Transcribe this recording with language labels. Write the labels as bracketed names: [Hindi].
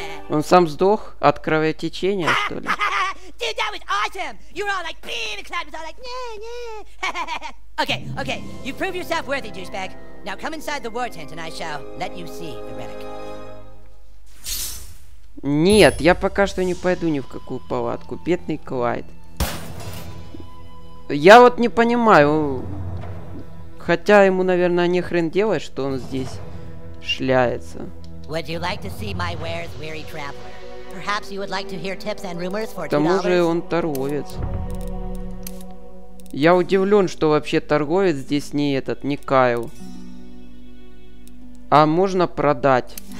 [Russian] Он сам сдох от кровотечения, что ли? [English] Dude, that was awesome! You were all like, beam, and Clyde was all like, nah. Okay, okay, you prove yourself worthy, douchebag. Now come inside the war tent, and I shall let you see the relic. [Russian] Нет, я пока что не пойду ни в какую палатку. Бедный Клайд. Я вот не понимаю. Хотя ему, наверное, не хрен делать, что он здесь шляется. [English] Would you like to see my wares, weary traveler? Perhaps you would like to hear tips and rumors for [Russian] $2. К тому же он торговец. Я удивлен, что вообще торговец здесь не этот, не Кайл. А можно продать.